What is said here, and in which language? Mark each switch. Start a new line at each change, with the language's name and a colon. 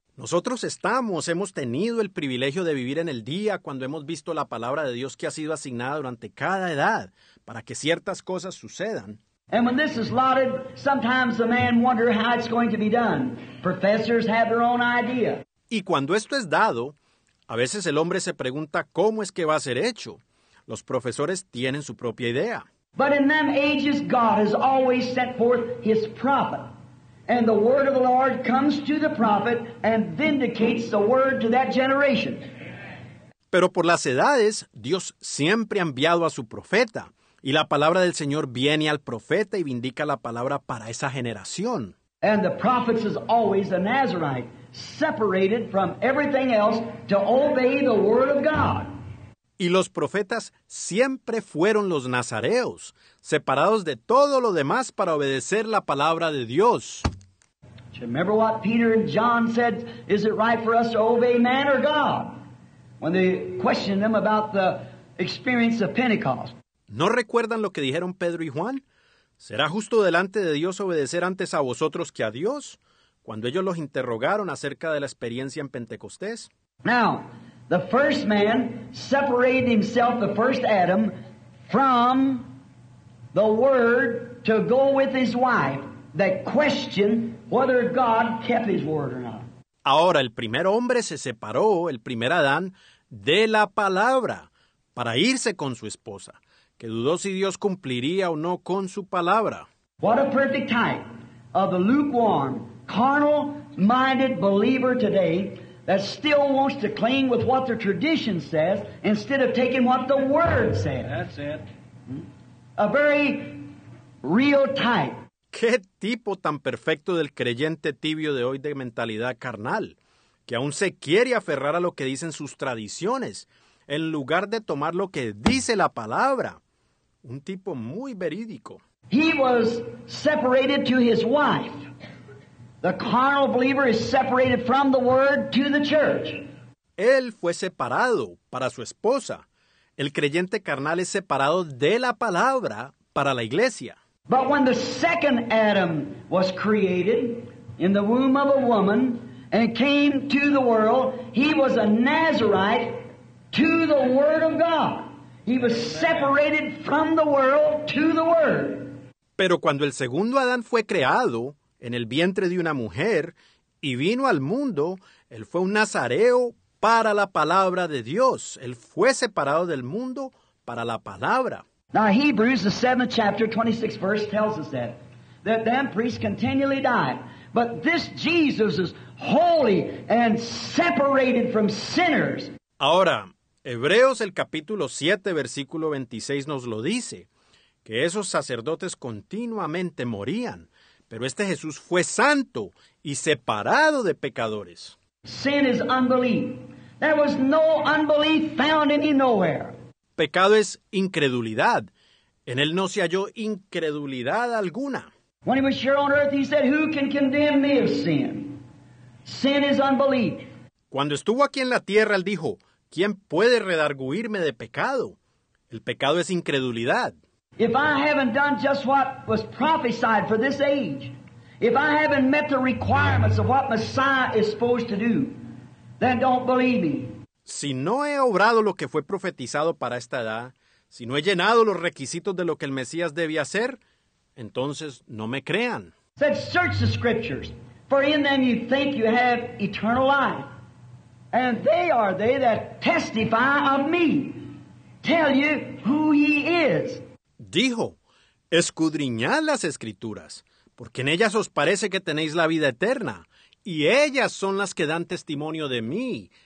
Spanish: Nosotros hemos tenido el privilegio de vivir en el día cuando hemos visto la palabra de Dios que ha sido asignada durante cada edad para que ciertas cosas sucedan.
English: And when this is lauded, sometimes the man wonder how it's going to be done. Professors have their own idea.
Spanish: Y cuando esto es dado, a veces el hombre se pregunta cómo es que va a ser hecho. Los profesores tienen su propia idea.
English: But in them ages, God has always set forth his prophet. And the word of the Lord comes to the prophet and vindicates the word to that generation.
Spanish: Pero por las edades, Dios siempre ha enviado a su profeta. Y la palabra del Señor viene al profeta y vindica la palabra para esa generación.
English: And the prophet is always a Nazarite, separated from everything else to obey the word of God.
Spanish: Y los profetas siempre fueron los nazareos, separados de todo lo demás para obedecer la palabra de Dios.
English: Do you remember what Peter and John said, is it right for us to obey man or God? When they questioned them about the experience of Pentecost.
Spanish: ¿No recuerdan lo que dijeron Pedro y Juan? ¿Será justo delante de Dios obedecer antes a vosotros que a Dios? Cuando ellos los interrogaron acerca de la experiencia en Pentecostés.
English: Now, the first man separated himself, the first Adam, from the word to go with his wife. That question whether God kept his word or not.
Spanish: Ahora, el primer hombre se separó, el primer Adán, de la palabra para irse con su esposa, que dudó si Dios cumpliría o no con su palabra.
English: What a perfect type of the lukewarm, carnal-minded believer today that still wants to cling with what the tradition says instead of taking what the Word says. That's it. A very real type.
Spanish: ¿Qué tipo tan perfecto del creyente tibio de hoy de mentalidad carnal, que aún se quiere aferrar a lo que dicen sus tradiciones, en lugar de tomar lo que dice la palabra? Un tipo muy verídico.
English: He was separated to his wife. The carnal believer is separated from the word to the church.
Spanish: Él fue separado para su esposa. El creyente carnal es separado de la palabra para la iglesia.
English: But when the second Adam was created in the womb of a woman and came to the world, he was a Nazarite to the word of God. He was separated from the world to the word.
Spanish: Pero cuando el segundo Adán fue creado en el vientre de una mujer y vino al mundo, él fue un nazareo para la palabra de Dios. Él fue separado del mundo para la palabra.
English: Now Hebrews, the 7th chapter, 26th verse, tells us that them priests continually died. But this Jesus is holy and separated from sinners.
Spanish: Ahora, Hebreos, el capítulo 7, versículo 26, nos lo dice, que esos sacerdotes continuamente morían, pero este Jesús fue santo y separado de pecadores.
English: Sin is unbelief. There was no unbelief found in him nowhere.
Spanish: Pecado es incredulidad. En él no se halló incredulidad alguna.
English: When he was here on earth, he said, "Who can condemn me of sin?" Sin is unbelief.
Spanish: Cuando estuvo aquí en la tierra, él dijo, "¿Quién puede redarguirme de pecado?" El pecado es incredulidad.
English: If I haven't done just what was prophesied for this age, if I haven't met the requirements of what Messiah is supposed to do, then don't believe me.
Spanish: Si no he obrado lo que fue profetizado para esta edad, si no he llenado los requisitos de lo que el Mesías debía hacer, entonces no me crean.
English: Said, search the scriptures. For in them you think you have eternal life. And they are they that testify of me, tell you who he is.
Spanish: Dijo, escudriñad las Escrituras, porque en ellas os parece que tenéis la vida eterna, y ellas son las que dan testimonio de mí.